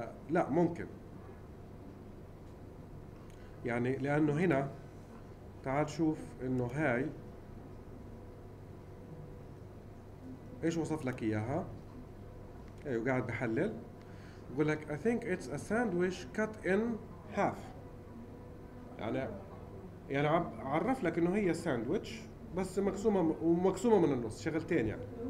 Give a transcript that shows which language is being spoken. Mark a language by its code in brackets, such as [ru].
[ar] لا ممكن يعني لانه هنا تعال شوف انه هاي ايش وصف لك اياها. أيوة قاعد بحلل بقول لك [en] I think it's a sandwich cut in half. [ar] يعني عرف لك إنه هي ساندويتش بس مقسومة ومقسومة من النص شغلتين يعني.